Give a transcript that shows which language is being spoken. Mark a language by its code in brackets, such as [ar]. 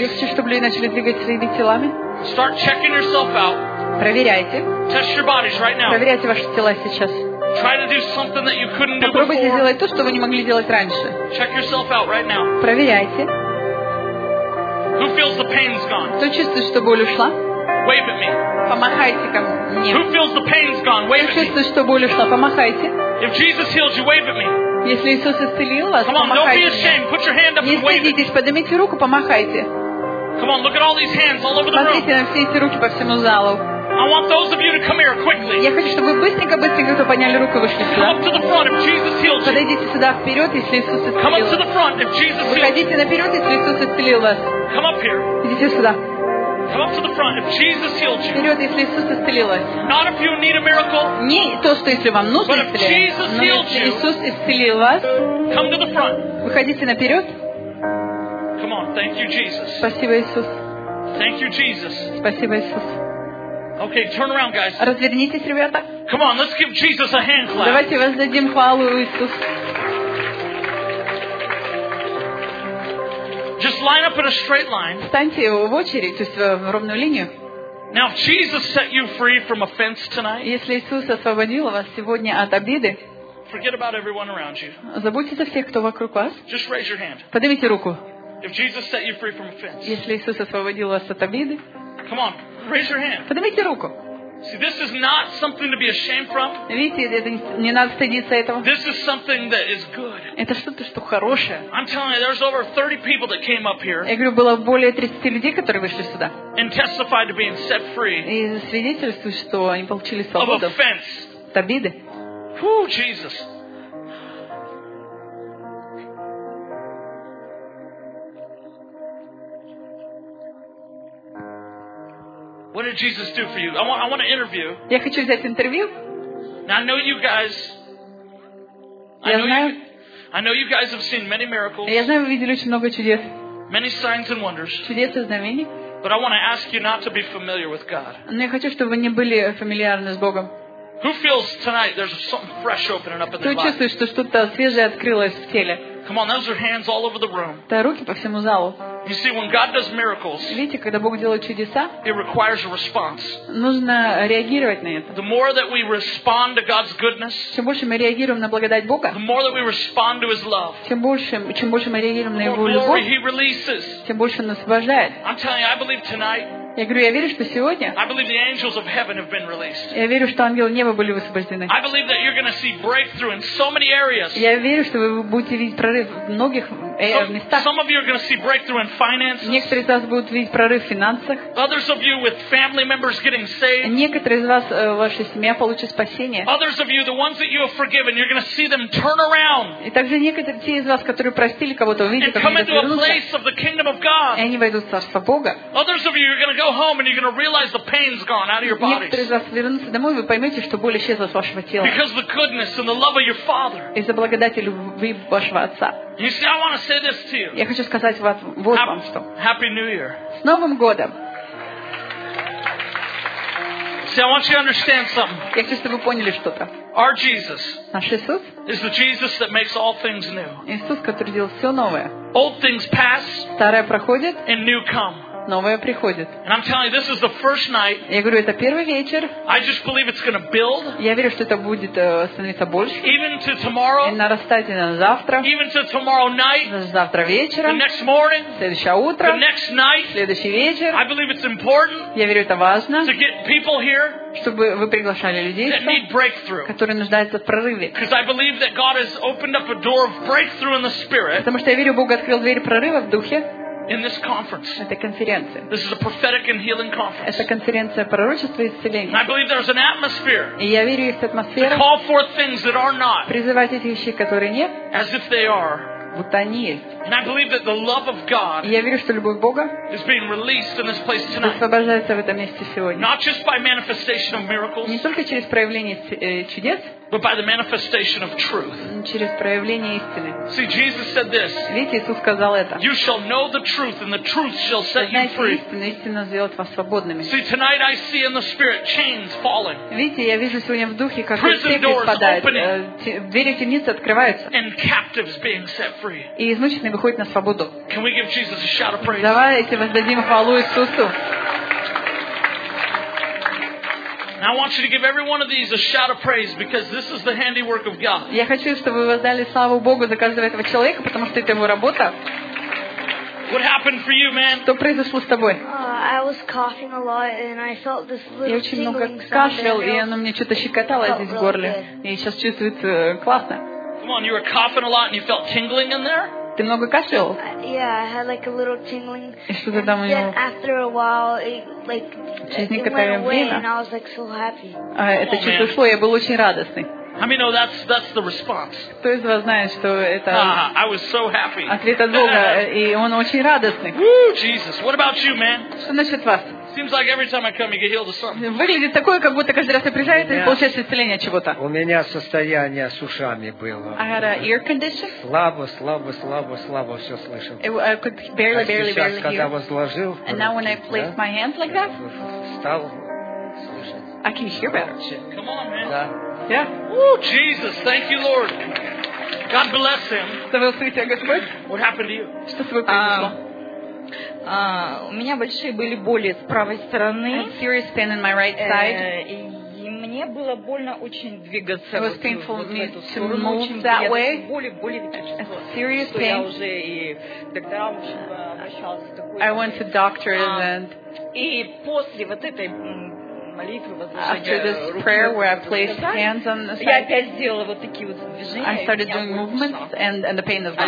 [ru] Я хочу, чтобы люди начали двигать своими телами. [en] Start checking yourself out. [ru] Проверяйте. [en] Test your bodies right now. [ru] Проверяйте ваши тела сейчас. [en] Try to do something that you couldn't do before. [ru] Попробуйте сделать то, что вы не могли делать раньше. [en] Check yourself out right now. [ru] Проверяйте. [en] Who feels the pain's gone? [ru] Кто чувствует, что боль ушла? [en] Wave at me. [ru] Помахайте ко мне. [en] Who feels the pain's gone? Wave at me. [ru] Кто чувствует, что боль ушла? Помахайте. [en] If Jesus healed you, wave at me. [ru] Если Иисус исцелил вас, [en] come on, [ru] помахайте. [en] Don't be ashamed. Put your hand up and wave. [ru] Не стыдитесь, поднимите руку, помахайте. [en] Come on, look at all these hands all over the room. [ru] Смотрите на все эти руки по всему залу. [en] I want those of you to come here quickly. [ru] Я хочу, чтобы вы быстренько кто подняли руку, вышли сюда. [en] Come up to the front if Jesus healed you. [ru] Подойдите сюда вперед, если Иисус исцелил. [en] Come up to the front if Jesus healed. [ru] Выходите наперед, если Иисус исцелил вас. [en] Come up here. [ru] Идите сюда. [en] Come up to the front if Jesus healed you. [ru] Вперед, если Иисус исцелил вас. [en] Not if you need a miracle. [ru] Не то, что если вам нужно исцеление. [en] But if Jesus healed you. [ru] Если Иисус исцелил вас. [en] Come to the front. [ru] Выходите наперед. [en] Come on, thank you, Jesus. [ru] Спасибо, Иисус. [en] Thank you, Jesus. [ru] Спасибо, Иисус. [en] Okay, turn around, guys. [ru] Развернитесь, ребята. [en] Come on, let's give Jesus a hand clap. [ru] Давайте воздадим хвалу Иисусу. [en] Just line up in a straight line. [ru] Встаньте в очередь, то есть в ровную линию. [en] Now, if Jesus set you free from offense tonight. [ru] Если Иисус освободил вас сегодня от обиды. [en] Forget about everyone around you. [ru] Забудьте о всех, кто вокруг вас. [en] Just raise your hand. [ru] Поднимите руку. [en] If Jesus set you free from offense. [ru] Если Иисус освободил вас от обиды. [en] Come on. Raise your hand. [ru] Поднимите руку. [en] See, this is not something to be ashamed from. [ru] Видите, это не надо стыдиться этого. [en] This is something that is good. [ru] Это что-то, что хорошее. [en] I'm telling you, there's over 30 people that came up here. [ru] Я говорю, было более 30 людей, которые вышли сюда. [en] And testified to being set free. [ru] И свидетельствуют, что они получили свободу. [en] Of offense. [ru] От обиды. [en] Whew, Jesus. What did Jesus do for you? I want to interview. [ru] Я хочу взять интервью. [en] Now, I know you guys. I know you guys have seen many miracles. [ru] Я знаю, вы видели очень много чудес. [en] Many signs and wonders. [ru] Чудес и знамений. [en] But I want to ask you not to be familiar with God. [ru] Но я хочу, чтобы вы не были фамильярны с Богом. [en] Who feels tonight there's something fresh opening up in their body? [ru] Кто чувствует, что что-то свежее открылось в теле? [en] Come on, those are hands all over the room. [ru] Да, руки по всему залу. [en] You see, when God does miracles, [ru] видите, когда Бог делает чудеса, [en] it requires a response. [ru] Нужно реагировать на это. [en] The more that we respond to God's goodness, [ru] чем больше мы реагируем на благодать Бога, [en] the more that we respond to His love, [ru] чем больше мы реагируем на Его любовь, [en] the more glory He releases, [ru] тем больше Он освобождает. [en] I'm telling you, I believe tonight. [ru] Я говорю, я верю, что сегодня. [en] I believe the angels of heaven have been released. [ru] Я верю, что ангелы неба были высвобождены. [en] I believe that you're going to see breakthrough in so many areas. [ru] Я верю, что вы будете видеть прорыв в многих местах. [en] Some of you are going to see breakthrough in finances. [ru] Некоторые из вас будут видеть прорыв в финансах. [en] Others of you with family members getting saved. [ru] Некоторые из вас, ваша семья получит спасение. [en] Others of you, the ones that you have forgiven, you're going to see them turn around. [ru] И также некоторые те из вас, которые простили кого-то, увидите, как они отвернутся. И они войдут в царство Бога. [en] Others of you, you're going to go home and you're going to realize the pain's gone out of your body. [ru] Некоторые из вас вернутся домой, вы поймете, что боль исчезла с вашего тела. [en] Because the goodness and the love of your father. [ru] Из-за благодати любви вашего отца. [en] You see, I want to say this to you. [ru] Я хочу сказать вам вот вам что. [en] Happy New Year. [ru] С Новым годом. [en] See, I want you to understand something. [ru] Я хочу, чтобы вы поняли что-то. [en] Our Jesus. [ru] Наш Иисус. [en] Is the Jesus that makes all things new. [ru] Иисус, который делает все новое. [en] Old things pass. [ru] Старое проходит. [en] And new come. [ru] Новое приходит. [en] And I'm telling you, this is the first night. [ru] Я говорю, это первый вечер. [en] I just believe it's going to build. [ru] Я верю, что это будет становиться больше. [en] Even to tomorrow. [ru] И нарастать на завтра. [en] Even to tomorrow night. [ru] Завтра вечером. [en] The next morning. [ru] Следующее утро. [en] The next night. [ru] Следующий вечер. [en] I believe it's important. [ru] Я верю, это важно. [en] To get people here. [ru] Чтобы вы приглашали людей, [en] that need breakthrough. [ru] Которые нуждаются в прорыве. [en] Because I believe that God has opened up a door of breakthrough in the spirit. [ru] Потому что я верю, Бог открыл дверь прорыва в духе. [en] In this conference. [ru] Это конференция. [en] This is a prophetic and healing conference. [ru] Это конференция пророчества и исцеления. [en] And I believe there's an atmosphere. [ru] И я верю, есть атмосфера. [en] To call forth things that are not. [ru] Призывать эти вещи, которые нет. [en] As if they are. [ru] Будто они есть. [en] And I believe that the love of God. [ru] И я верю, что любовь Бога. [en] Is being released in this place tonight. [ru] Освобождается в этом месте сегодня. [en] Not just by manifestation of miracles. [ru] Не только через проявление чудес. [en] But by the manifestation of truth. [ru] Через проявление истины. [en] See, Jesus said this. [ru] Видите, Иисус сказал это. [en] You shall know the truth, and the truth shall set you free. [ru] Истина, истина сделает вас свободными. [en] See, tonight I see in the spirit chains falling. [ru] Видите, я вижу сегодня в духе, как цепи спадают, двери темницы открываются. [en] And captives being set free. [ru] И измученные выходят на свободу. [en] Can we give Jesus a shout of praise? [ru] Давайте воздадим хвалу Иисусу. [en] I want you to give every one of these a shout of praise because this is the handiwork of God. [ru] Я хочу, чтобы вы воздали славу Богу за каждого этого человека, потому что это его работа. [en] What happened for you, man? [ru] Что произошло с тобой? [en] I was coughing a lot and I felt this little tingling. [ru] Я очень много кашлял, и оно мне что-то щекотало здесь в горле. И сейчас чувствуется классно. [en] Come on, you were coughing a lot and you felt tingling in there? [ru] Ты много кашлял? [en] Yeah, I had like a little tingling. [ru] И что-то там у него. [en] After a while, it like. [ru] Через некоторое время. [en] And I was like so happy. [ru] А это чувство ушло, я был очень радостный. [en] I mean, no, that's the response. [ru] Кто из вас знает, что это? [en] I was so happy. [ru] Ответ от Бога, и он очень радостный. [en] Woo, Jesus, what about you, man? [ru] Что насчет вас? [en] Seems like every time I come, you get healed of something. [ru] Выглядит такое, как будто каждый раз ты приезжаешь и получаешь исцеление чего-то. У меня состояние с ушами было. [en] I had a ear condition. [ru] Слабо, слабо, слабо, слабо все слышал. [en] I could barely hear. [ru] А сейчас, когда возложил, [en] and now when I placed my hands like that, [ru] стал слышать. [en] I can hear better. Come on, man. [ru] Да. [en] Yeah. Woo, Jesus, thank you, Lord. God bless him. What happened to you? [ru] Что с тобой произошло? У меня большие были боли с правой стороны. [en] Serious pain in my right side. [ru] И мне было больно очень двигаться. [en] It was painful for me to move that way. [ru] Боли. [en] Serious pain. I went to doctors and. [ru] И после вот этой. [en] After this prayer where I placed hands on the side, I started doing movements and the pain is gone.